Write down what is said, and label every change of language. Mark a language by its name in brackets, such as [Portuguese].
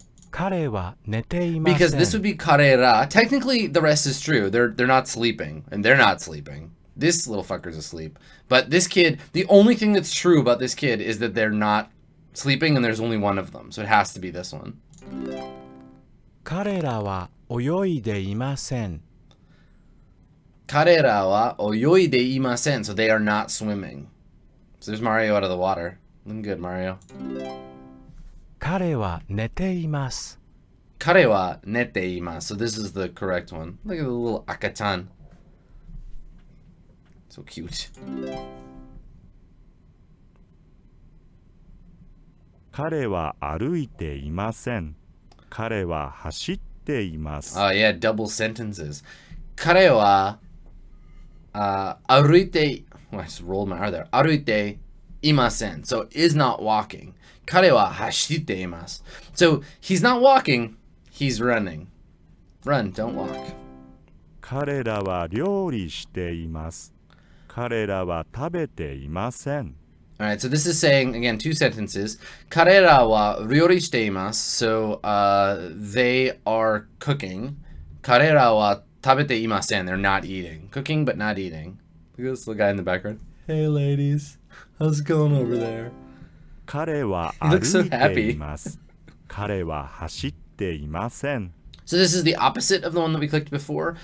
[Japanese] 彼は寝ていません。 [English] Because this would be 彼ら.Technically, the rest is true. They're not sleeping. And they're not sleeping. This little fucker's asleep. But this kid, the only thing that's true about this kid is that they're not sleeping and there's only one of them. So it has to be this one. [Japanese] 彼らは泳いでいません。彼らは泳いでいません。 [English] So they are not swimming. So there's Mario out of the water. Looking good, Mario. [Japanese] 彼は寝ています。彼は寝ています。 [English] So this is the correct one. Look at the little 赤ちゃん. So cute. [Japanese] 彼は歩いていません。彼は走っています。 [English] Oh yeah, double sentences. [Japanese] 彼は歩いて、 [English] I just rolled my R there. [Japanese] 歩いていません。 [English] So is not walking. [Japanese] 彼は走っています。 [English] So, he's not walking, he's running. Run, don't walk. [Japanese] 彼らは料理しています。彼らは食べていません。 [English] Alright, so this is saying, again, two sentences. [Japanese] 彼らは料理しています。 [English] So, they are cooking. [Japanese] 彼らは食べていません。 [English] They're not eating. Cooking, but not eating. Look at this little guy in the background. Hey, ladies. How's it going over there? [Japanese] 彼は歩いています。彼は走っていません。 [English] So this is the opposite of the one that we clicked before.